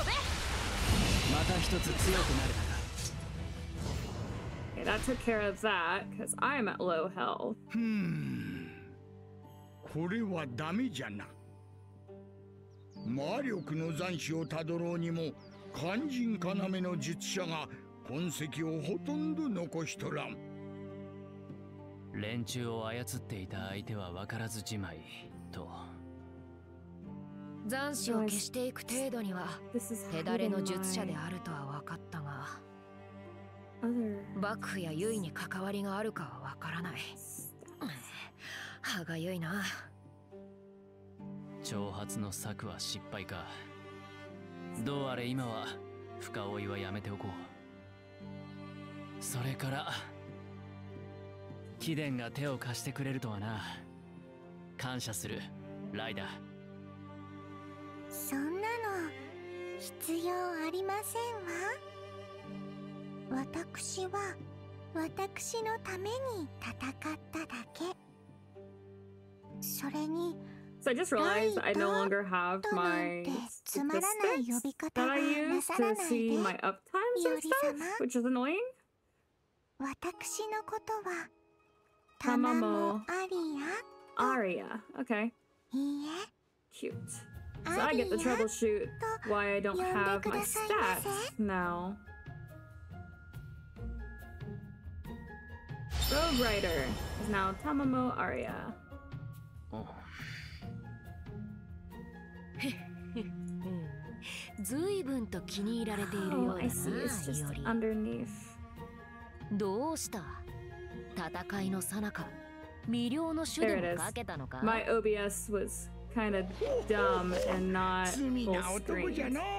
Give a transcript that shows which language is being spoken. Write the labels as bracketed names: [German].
[Japanese] また一つ強くなれたか。 [English] Okay, that took care of that, because I'm at low health. [Japanese] これはダメじゃな。魔力の残滓をたどろうにも、肝心要の術者が痕跡をほとんど残しとらん。連中を操っていた相手は分からずじまいと。残滓を消していく程度には手だれの術者であるとは分かったが、幕府やユイに関わりがあるかは分からない。歯がゆいな。挑発の策は失敗か。どうあれ今は深追いはやめておこう。それから貴殿が手を貸してくれるとはな。感謝するライダー。そんなの必要ありませんわ。私は私のために戦っただけ。それに、 [English] So I just realized I no longer have my statistics that I use to see my uptimes and stuff, which is annoying. [Japanese] 私のことは、Tamamo Aria. [English] Aria, okay. [Japanese] いいえ。 [English] Cute. So I get to troubleshoot why I don't have my stats now. Rogue Rider is now Tamamo Aria. [Japanese] ずいぶんと気に入られているようだな、イオリ。どうした？戦いの最中、魅了の手段かけたのか？ [English] My OBS was kind of dumb and not full screen.